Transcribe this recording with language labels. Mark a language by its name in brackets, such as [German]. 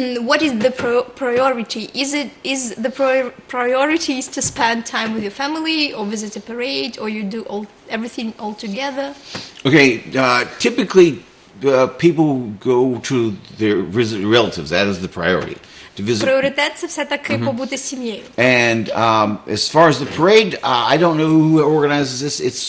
[English] what is the priority? Is the priority is to spend time with your family or visit a parade, or you do everything all together? Okay, typically people go to their visit relatives. That is the priority. [Ukrainian] Пріоритет – це все-таки побути з сім'єю. [English] And as far as the parade, I don't know who organizes this.